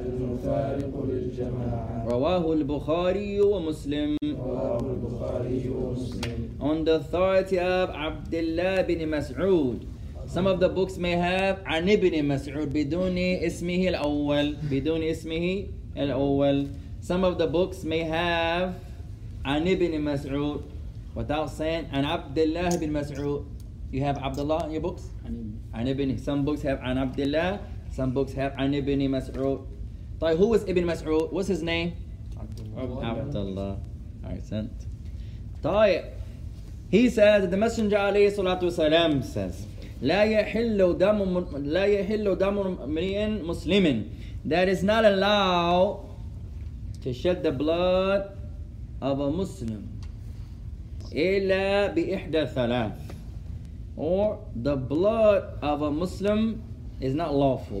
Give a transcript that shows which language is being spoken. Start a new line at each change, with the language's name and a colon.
Arabic: المفارق للجماعة رواه البخاري ومسلم رواه البخاري ومسلم
English: on the authority of Abdullah bin Mas'ud. Some of the books may have
Arabic: عن ابن مسعود بدون اسمه الأول بدون اسمه الأول.
English: Some of the books may have
Arabic: عن ابن مسعود
English: without saying
Arabic: عن عبد الله بن مسعود.
English: You have Abdullah in your books?
Arabic: عن ابن.
English: Some books have
Arabic: عن عبد الله.
English: Some books have
Arabic: عن ابن مسعود.
English: طيب, who was
Arabic: ابن مسعود?
English: What's his name? عبد الله. I sent.
Arabic: طيب,
English: he says, the Messenger
Arabic: عليه الصلاة والسلام says, لا يحل دم امرئ مسلم.
English: That is not allowed to shed the blood of a Muslim.
Arabic: إلا بإحدى ثلاث.
English: Or the blood of a Muslim is not lawful.